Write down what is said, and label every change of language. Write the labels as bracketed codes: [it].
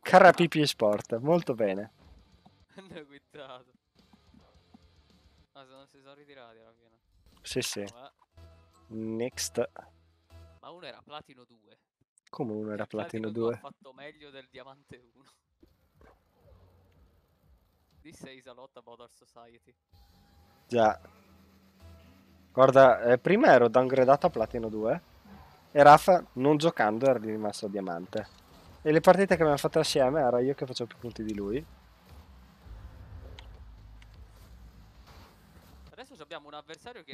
[it] Carrapipi Sport, molto bene. Hanno quittato. Si sono ritirati alla fine. Sì. Next. Ma uno era Platino 2. Come uno era Platino 2? Ha fatto meglio del Diamante 1. [en] This is a lot about our society. [it] Già. Guarda, prima ero downgradato a Platino 2. E Rafa, non giocando, era rimasto a Diamante. E le partite che abbiamo fatto assieme, era io che facevo più punti di lui. Adesso abbiamo un avversario che